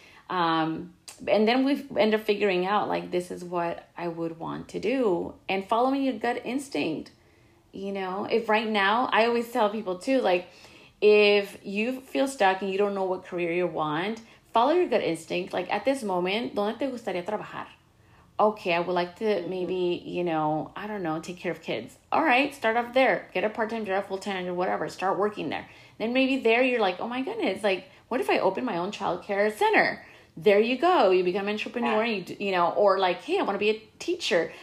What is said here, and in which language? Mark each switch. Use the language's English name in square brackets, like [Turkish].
[English] And then we end up figuring out, like, this is what I would want to do, and following your gut instinct. You know, if right now, I always tell people too, like, if you feel stuck and you don't know what career you want, follow your gut instinct. Like, at this moment, [Spanish] ¿dónde te gustaría trabajar? [English] Okay, I would like to maybe, you know, I don't know, take care of kids. All right, start off there. Get a part-time job, full-time job, whatever. Start working there. Then maybe there you're like, oh my goodness, like, what if I open my own childcare center? There you go. You become an entrepreneur, you know, or like, hey, I want to be a teacher.